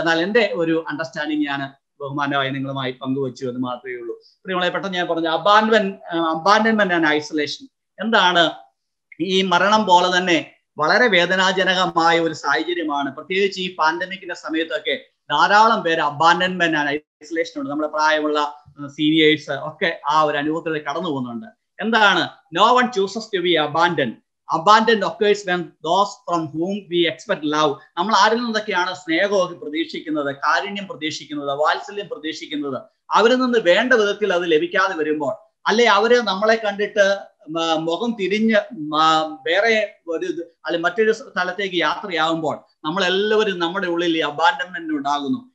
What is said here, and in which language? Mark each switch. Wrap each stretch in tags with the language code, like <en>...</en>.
<ml>എന്നാൽ എന്റെ ഒരു അണ്ടർസ്റ്റാൻഡിങ് ഞാൻ ബഹുമാനമായി നിങ്ങളുമായി പങ്കുവച്ചു എന്ന് മാത്രമേ ഉള്ളൂ. പ്രിയമുള്ള പെട്ടെന്ന് ഞാൻ പറഞ്ഞു അബാൻഡൻമെന്റ് ആൻഡ് ഐസൊലേഷൻ. എന്താണ് ഈ മരണം പോലെ തന്നെ വളരെ വേദനാജനകമായ ഒരു സാഹചര്യമാണ്. പ്രത്യേകിച്ച് ഈ പാൻഡമിക്കിന്റെ സമയത്തൊക്കെ ധാരാളം പേര് അബാൻഡൺമെന്റ് ഐസൊലേഷൻ ഉണ്ട്, നമ്മുടെ പ്രായമുള്ള സീനിയേഴ്സ് ഒക്കെ ആ ഒരു അനുഭവത്തിൽ കടന്നു പോകുന്നുണ്ട്.</ml> <en>എന്താണ്, no one chooses to be abandon. Abandoned occurs when those from whom we expect love.</en> <ml>നമ്മൾ ആരിൽ നിന്നൊക്കെയാണ് സ്നേഹമൊക്കെ പ്രതീക്ഷിക്കുന്നത്, കാരുണ്യം പ്രതീക്ഷിക്കുന്നത്, വാത്സല്യം പ്രതീക്ഷിക്കുന്നത്, അവരിൽ നിന്ന് വേണ്ട വിധത്തിൽ അത് ലഭിക്കാതെ വരുമ്പോൾ, അല്ലെ അവരെ നമ്മളെ കണ്ടിട്ട് മുഖം തിരിഞ്ഞ് വേറെ ഒരു അല്ലെ മറ്റൊരു സ്ഥലത്തേക്ക് യാത്രയാകുമ്പോൾ നമ്മളെല്ലാവരും നമ്മുടെ ഉള്ളിൽ ഈ അബാൻഡൺമെന്റ് ഉണ്ടാകുന്നു.</ml>